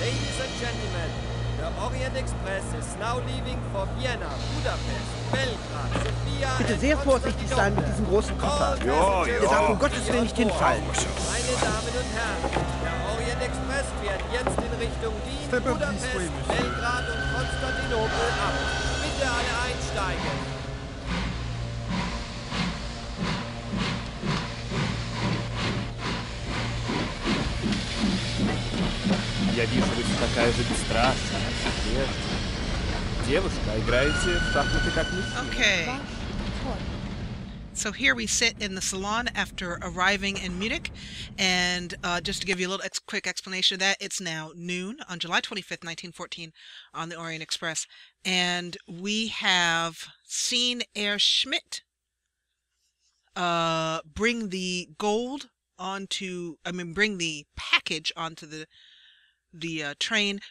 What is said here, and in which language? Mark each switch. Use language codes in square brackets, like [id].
[en] Ladies and gentlemen, the Orient Express is now leaving for Vienna, Budapest, Belgrad, Sofia. [de] Bitte sehr vorsichtig sein mit diesem großen Koffer. Ja, ja. Ihr darf um Gottes Willen nicht hinfallen. Meine Damen und Herren, der Orient Express fährt jetzt in Richtung Wien, Budapest, Belgrad und Konstantinopel ab. Bitte alle einsteigen. [ru] Я вижу, вы такая же бесстрашная. Девушка, играете в шахматы как мужчина. [en] Okay. So here we sit in the salon after arriving in Munich, and just to give you a little quick explanation of that, it's now noon on July 25th, 1914, on the Orient Express, and we have seen Herr Schmidt bring the gold onto, bring the package onto the train.